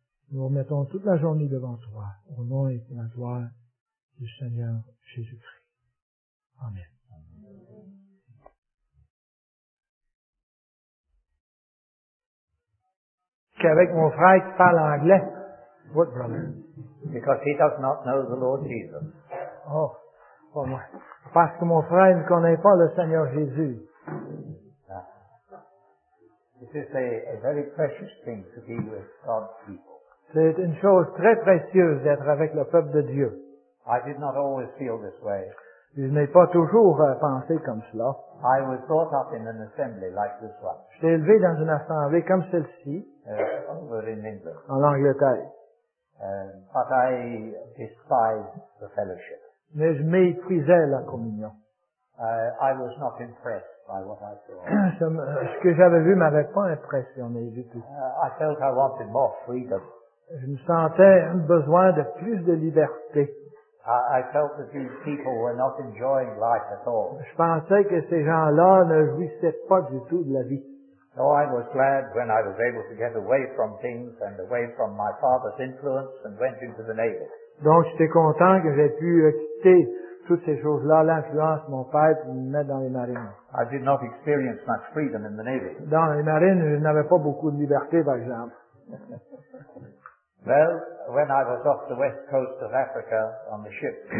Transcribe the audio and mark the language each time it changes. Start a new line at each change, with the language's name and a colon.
French: Nous remettons toute la journée devant toi, au nom et pour la gloire du Seigneur Jésus-Christ. Amen. Qu'avec mon frère qui parle anglais,
English: what brother? Because he does not know the Lord Jesus.
French: Oh, pour moi. Parce que mon frère ne connaît pas le Seigneur Jésus.
English: This is a very precious thing to be with God's people.
French: C'est une chose très précieuse d'être avec le peuple de Dieu.
English: I did not always feel this way.
French: Je n'ai pas toujours pensé comme cela.
English: I was brought up in an assembly like this one.
French: J'étais élevé dans une assemblée comme celle-ci.
English: Over in England.
French: En Angleterre.
English: But I despised the fellowship.
French: Mais je méprisais la communion.
English: I was not impressed by what I saw.
French: Ce que j'avais vu m'avait pas impressionné du tout.
English: I felt I wanted more freedom.
French: Je me sentais un besoin de plus de liberté.
English: I felt that these people were not enjoying life at all.
French: Je pensais que ces gens-là ne jouissaient pas du tout de la vie.
English: So I was glad when I was able to get away from things and away from my father's influence and went into the Navy.
French: Donc j'étais content que j'ai pu quitter toutes ces choses-là, l'influence de mon père, pour me mettre dans les marines.
English: I did not experience much freedom in the Navy.
French: Dans les marines, je n'avais pas beaucoup de liberté, par exemple.
English: Well, when I was off the west coast of Africa on the ship.